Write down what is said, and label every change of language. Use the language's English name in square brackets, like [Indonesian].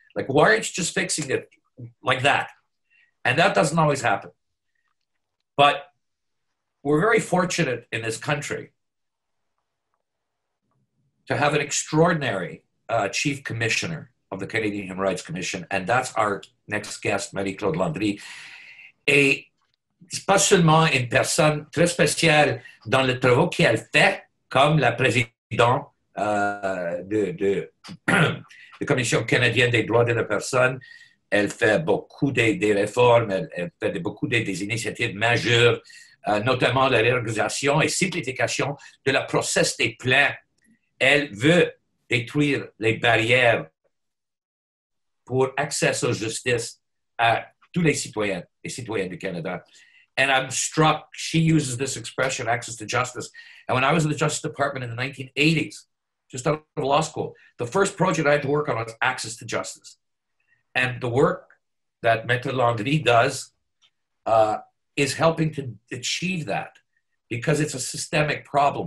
[English] Like, why aren't you just fixing it like that? And that doesn't always happen. But we're very fortunate in this country to have an extraordinary chief commissioner of the Canadian Human Rights Commission, and that's our next guest, Marie-Claude Landry. [French] Et pas seulement une personne très spéciale dans les travaux qu'elle fait, comme la présidente de la Commission canadienne des droits de la personne. Elle fait beaucoup des réformes, elle fait beaucoup des initiatives majeures, notamment la réorganisation et simplification de la process des plaintes. Elle veut détruire les barrières pour accès aux justices à tous les citoyens et citoyennes du Canada. [English] And I'm struck, she uses this expression, access to justice. And when I was in the Justice Department in the 1980s, just out of law school, the first project I had to work on was access to justice. And the work that Maître Landry does is helping to achieve that, because it's a systemic problem.